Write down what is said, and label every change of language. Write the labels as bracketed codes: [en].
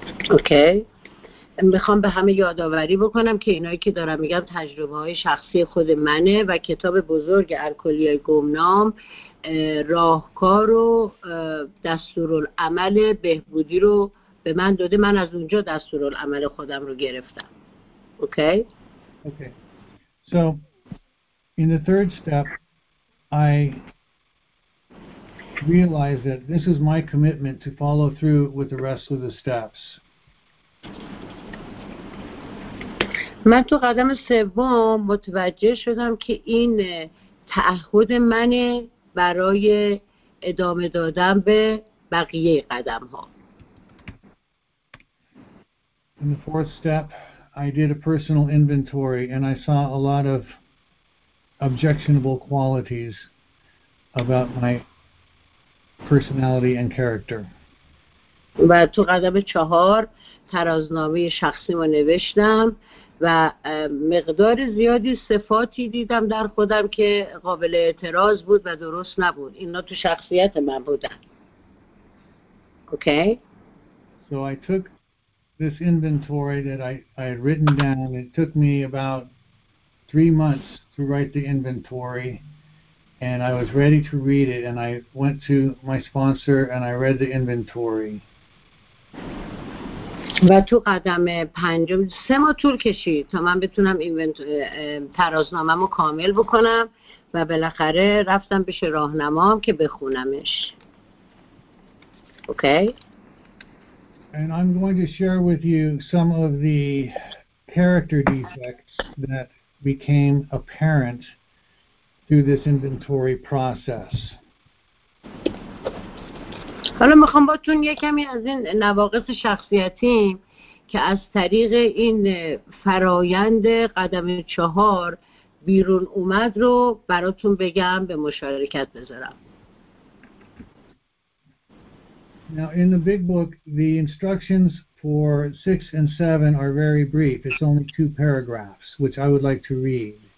[en] Okay. [fa] من میخوام به همه یادآوری بکنم که اینایی که دارم میگم تجربه های شخصی خود منه و کتاب بزرگ الکلیای گمنام راهکار و دستورالعمل بهبودی رو به من داده. من از اونجا دستورالعمل خودم رو گرفتم. اوکی؟ اوکی. [en] So in the third step I realized that this is my commitment to follow through with the rest of the steps. [fa] من تو قدم سوم متوجه شدم که این تعهد منه برای ادامه دادن به بقیه قدم ها. [en] In the fourth step, I did a personal inventory and I saw a lot of objectionable qualities about my personality and character. [fa] و تو قدم چهار ترازنامه شخصی ما نوشتم و مقدار زیادی صفاتی دیدم در خودم که قابل اعتراض بود و درست نبود. اینا تو شخصیت من بودن. Okay. [en] So I took this inventory that I had written down. It took me about 3 months to write the inventory and I was ready to read it and I went to my sponsor and I read the inventory. [fa] و تو قدم پنجم 3 ماه طول کشید تا من بتونم ترازنامه‌مو کامل بکنم و بالاخره رفتم پیش راهنمام که بخونمش. اوکی. [en] And I'm going to share with you some of the character defects that became apparent through this inventory process. [fa] حالا میخوام باتون یه کمی از این نواقص شخصیتیم که از طریق این فرایند قدم چهار بیرون اومد رو براتون بگم به مشارکت بذارم. [en] Now in the big book the instructions for 6 and 7 are very brief. It's only 2 paragraphs which I would like to read.